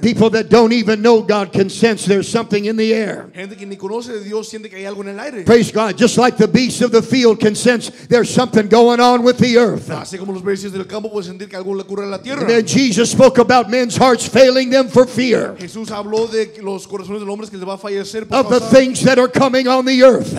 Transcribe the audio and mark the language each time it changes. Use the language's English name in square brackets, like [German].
[English] People that don't even know God can sense there's something in the air. [Spanish] Gente que ni conoce de Dios siente que hay algo en el aire. [English] Praise God, just like the beasts of the field can sense there's something going on with the earth. [Spanish] Así como los bestias del campo pueden sentir que algo le ocurre a la tierra. [English] Then Jesus spoke about men's hearts failing them for fear. [Spanish] Jesús habló de los corazones de los hombres que les va a fallar. [English] Of the things that are coming on the earth.